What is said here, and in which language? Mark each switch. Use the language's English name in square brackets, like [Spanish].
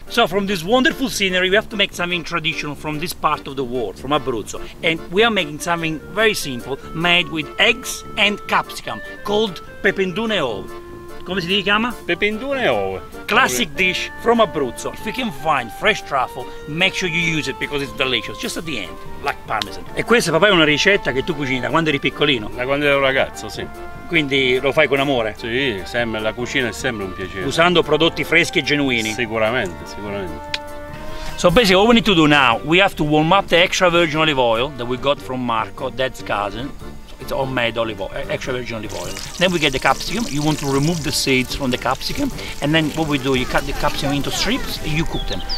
[English] So from this wonderful scenery, we have to make something traditional from this part of the world, from Abruzzo. And we are making something very simple, made with eggs and capsicum, called Pipindun. [Italian] Come si chiama? Pipindun. [English] Classic dish from Abruzzo. If you can find fresh truffle, make sure you use it because it's delicious. Just at the end, like parmesan. [Italian] E questa papà è una ricetta che tu cucini da quando eri piccolino? Da quando ero ragazzo, sì. Quindi lo fai con amore? Sì, sempre, la cucina è sempre un piacere. Usando prodotti freschi e genuini? Sicuramente, sicuramente. [English] So basically what we need to do now, we have to warm up the extra virgin olive oil that we got from Marco, dad's cousin. It's homemade olive oil, extra virgin olive oil. Then we get the capsicum. You want to remove the seeds from the capsicum. And then what we do, you cut the capsicum into strips and you cook them.